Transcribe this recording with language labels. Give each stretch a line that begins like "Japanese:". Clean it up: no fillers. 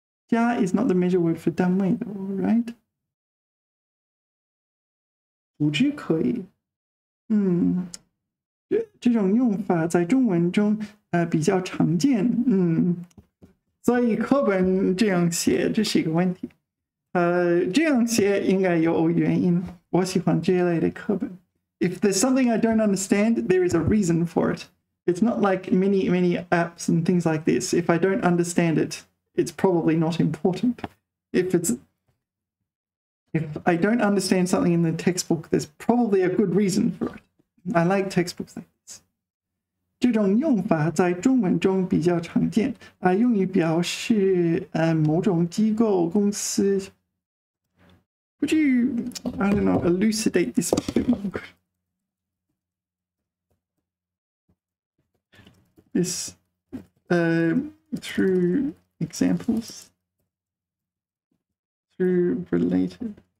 English: 家 is not the major word for 单位 though, right?
Chinese: 组织可以，这种用法在中文中比较常见，所以课本这样写这是一个问题，这样写应该有原因。我喜欢这类的课本。
English: If there's something I don't understand, there is a reason for it. It's not like many apps and things like this. If I don't understand it, it's probably not important. If I don't understand something in the textbook, there's probably a good reason for it. I like textbooks like this.
Chinese: 这种用法在中文中比较常见，用于表示某种机构、公司。
English: Would you, I don't know, elucidate this a bit more? This through examples, through related.